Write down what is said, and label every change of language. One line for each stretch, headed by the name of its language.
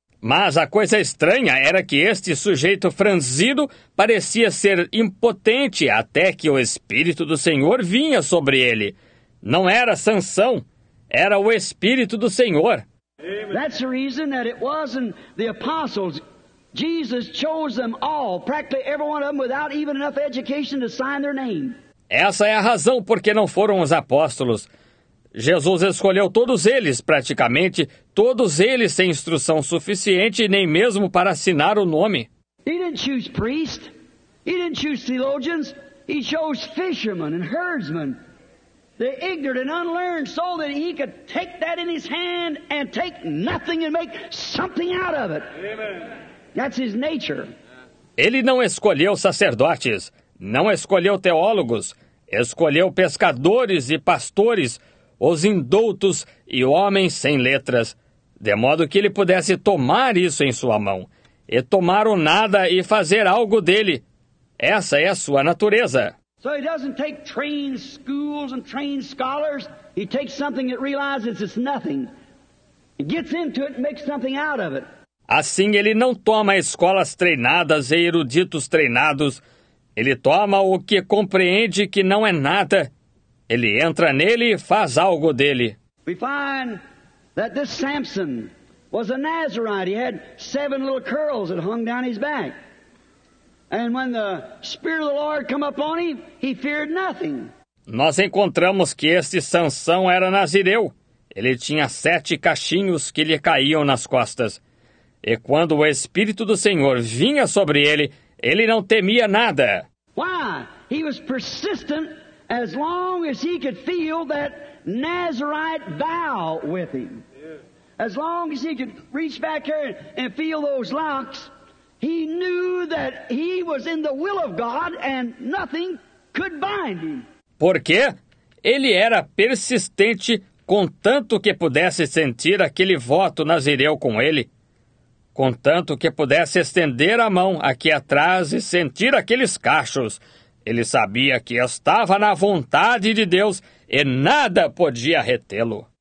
Portuguese: Mas a coisa estranha era que este sujeito franzido parecia ser impotente até que o Espírito do Senhor vinha sobre ele. Não era Sansão, era o Espírito do Senhor. Amen.
English: That's the reason that it wasn't the apostles. Jesus chose them all, practically every one of them, without even enough education to sign their name.
Portuguese: Essa é a razão porque não foram os apóstolos. Jesus escolheu todos eles, praticamente, todos eles sem instrução suficiente, nem mesmo para assinar o nome.
English: He didn't choose priests, he didn't choose theologians, he chose fishermen and herdsmen, the ignorant and unlearned, so that he could take that in his hand and take nothing and make something out of it. Amen. That's his nature.
Portuguese: Ele não escolheu sacerdotes, não escolheu teólogos, escolheu pescadores e pastores, os indoutos e homens sem letras, de modo que ele pudesse tomar isso em sua mão, e tomar o nada e fazer algo dele. Essa é a sua natureza.
English: So he doesn't take trained schools and trained scholars. He takes something that realizes it's nothing. He gets into it and makes something out of it.
Portuguese: Assim, ele não toma escolas treinadas e eruditos treinados. Ele toma o que compreende que não é nada. Ele entra nele e faz algo dele.
English: We find that this Samson was a Nazarite. He had seven little curls that hung down his back. And when the Spirit of the Lord came upon him, he feared nothing.
Portuguese: Nós encontramos que este Sansão era Nazireu. Ele tinha sete cachinhos que lhe caíam nas costas. E quando o Espírito do Senhor vinha sobre ele, ele não temia nada.
English: Why? He was persistent as long as he could feel that Nazarite vow with him. As long as he could reach back here and feel those locks, he knew that he was in the will of God and nothing could bind him.
Portuguese: Por quê? Ele era persistente contanto que pudesse sentir aquele voto nazireu com ele. contanto que pudesse estender a mão aqui atrás e sentir aqueles cachos. Ele sabia que estava na vontade de Deus e nada podia retê-lo.